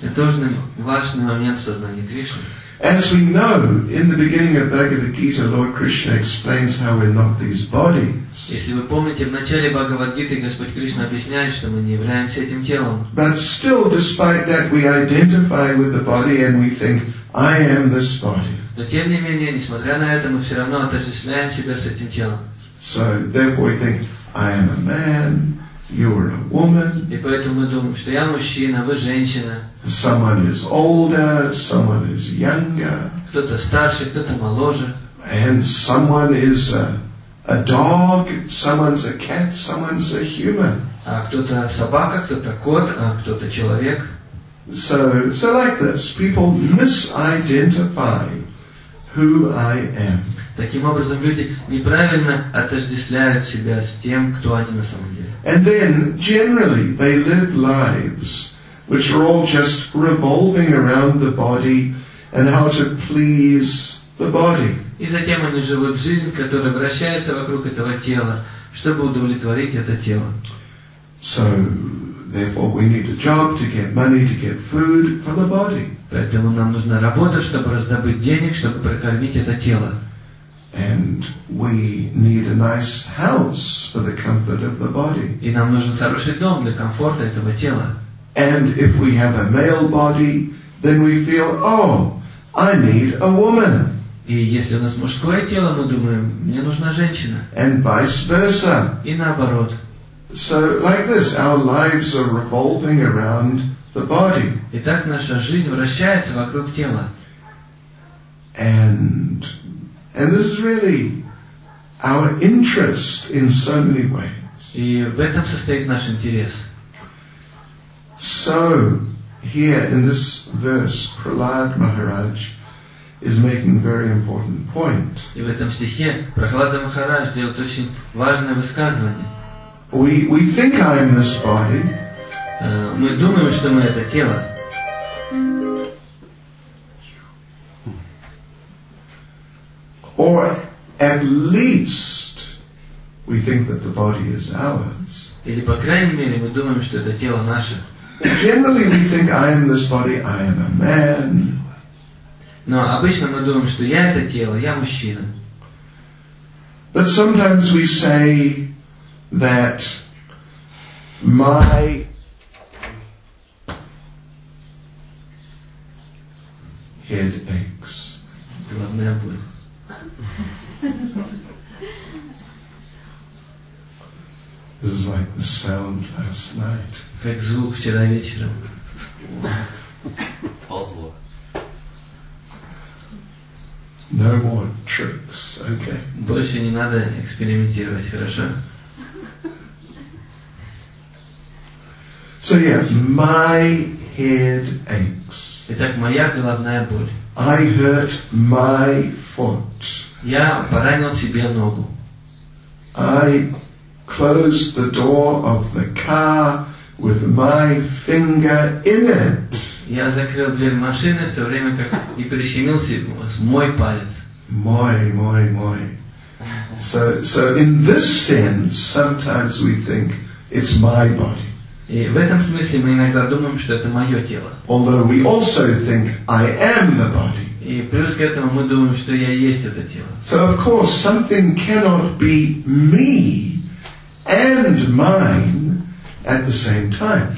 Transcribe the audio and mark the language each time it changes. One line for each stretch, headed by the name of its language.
Russian: Это очень важный момент в сознании Кришны.
English: As we know, in the beginning of Bhagavad Gita, Lord Krishna explains how we're not these bodies.
Russian: Если вы помните, в начале Бхагавад Гиты Господь Кришна объясняет, что мы не являемся этим телом.
English: But still, despite that, we identify with the body and we think, I am this body.
Russian: Но тем не менее, несмотря на это, мы все равно отождествляем себя с этим телом.
English: So therefore we think, I am a man, you are a woman.
Russian: И поэтому мы думаем, что я мужчина, вы женщина.
English: Someone is older, someone is younger.
Russian: Кто-то старше, кто-то моложе.
English: And someone is a dog, someone's a cat, someone's a human.
Russian: А кто-то собака, кто-то кот, а кто-то человек.
English: So like this, people misidentify who I am.
Russian: Таким образом, люди неправильно отождествляют себя с тем, кто они на самом деле.
English: And then, generally, they live lives which are all just revolving around the body and how to please the body.
Russian: И затем они живут жизнь, которая вращается вокруг этого тела, чтобы удовлетворить это тело.
English: So, therefore, we need a job to get money to get food for the body.
Russian: Поэтому нам нужна работа, чтобы раздобыть денег, чтобы прокормить это тело.
English: And we need a nice house for the comfort of the body.
Russian: И нам нужен хороший дом для комфорта этого тела.
English: And if we have a male body, then we feel, oh, I need a woman.
Russian: И если у нас мужское тело, мы думаем, мне нужна женщина.
English: And vice versa.
Russian: И наоборот.
English: So, like this, our lives are revolving around the body.
Russian: Итак, наша жизнь вращается вокруг тела.
English: And this is really our interest in so many ways.
Russian: И в этом состоит наш интерес.
English: So, here in this verse, Prahlad Maharaj is making a very important point.
Russian: И в этом стихе Прахлада Махарадж делает очень важное высказывание.
English: We think I'm this body.
Russian: Мы думаем, что мы это тело.
English: Or at least we think that the body is ours.
Russian: Или по крайней мере мы думаем, что это тело наше.
English: Generally we think I am this body. I am a man.
Russian: Но обычно мы думаем, что я это тело, я мужчина.
English: But sometimes we say that my head aches.
Russian: Главная боль.
English: This is like the sound last night.
Russian: Как звук вчера вечером. Ползло.
English: No more tricks, okay.
Russian: Больше не надо экспериментировать, хорошо?
English: So yeah, my head aches.
Russian: Итак, моя головная боль.
English: I hurt my foot.
Russian: Я поранил себе ногу.
English: I closed the door of the car with my finger in it.
Russian: Я закрыл дверь машины в то время, как и прищемил себе мой палец. Мой.
English: So in this sense, sometimes we think it's my body.
Russian: И в этом смысле мы иногда думаем, что это мое тело.
English: Although we also think I am the body.
Russian: И плюс к этому мы думаем, что я есть это тело.
English: So of course something cannot be me and mine at the same time.